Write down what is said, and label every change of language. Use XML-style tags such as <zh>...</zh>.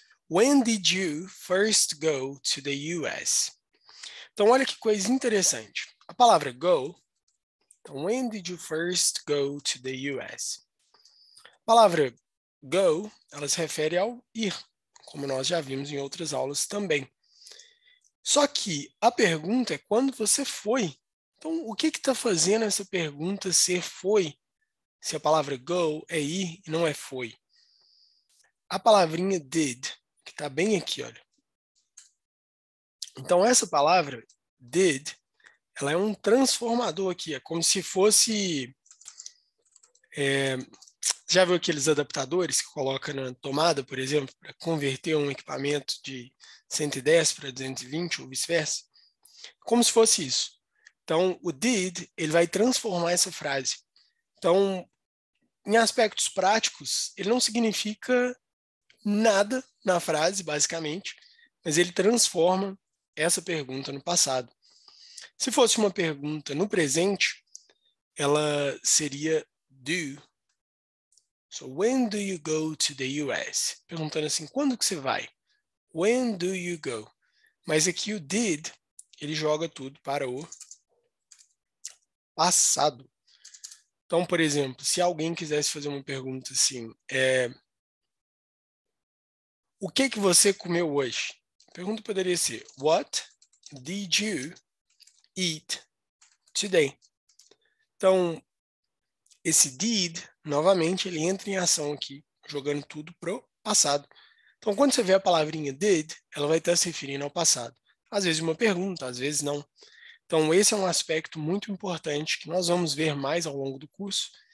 <en>When did you first go to the US?</en> <pt>Então olha que coisa interessante. A palavra go. Então,</pt> <en>when did you first go to the US?</en> <pt>A palavra go, ela se refere ao ir. Como nós já vimos em outras aulas também. Só que a pergunta é quando você foi. Então, o que está fazendo essa pergunta ser foi? Se a palavra go é ir e não é foi. A palavrinha did, que está bem aqui, olha. Então, essa palavra, did, ela é um transformador aqui. É como se fosse... já viu aqueles adaptadores que coloca na tomada, por exemplo, para converter um equipamento de 110 para 220 ou vice-versa? Como se fosse isso. Então, o did, ele vai transformar essa frase. Então, em aspectos práticos, ele não significa nada na frase, basicamente, mas ele transforma essa pergunta no passado. Se fosse uma pergunta no presente, ela seria do.</pt> <en>So, when do you go to the US?</en> <pt>Perguntando assim, quando que você vai?</pt> <en>When do you go?</en> <pt>Mas aqui o did, ele joga tudo para o passado. Então, por exemplo, se alguém quisesse fazer uma pergunta assim, o que que você comeu hoje? A pergunta poderia ser,</pt> <en>what did you eat today?</en> <pt>Então, esse did, novamente, ele entra em ação aqui, jogando tudo pro passado. Então, quando você vê a palavrinha did, ela vai estar se referindo ao passado. Às vezes uma pergunta, às vezes não. Então, esse é um aspecto muito importante que nós vamos ver mais ao longo do curso,</pt>